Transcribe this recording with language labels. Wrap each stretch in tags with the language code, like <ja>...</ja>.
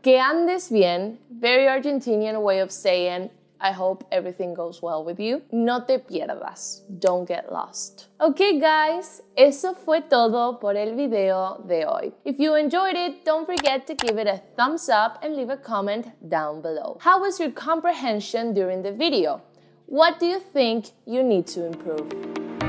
<es>Que andes bien,</es> <en>very Argentinian way of saying I hope everything goes well with you.</en> <es>No te pierdas.</es> <en>Don't get lost. Okay, guys.</en> <es>Eso fue todo por el video de hoy.</es> <en>If you enjoyed it, don't forget to give it a thumbs up and leave a comment down below. How was your comprehension during the video? What do you think you need to improve?</en>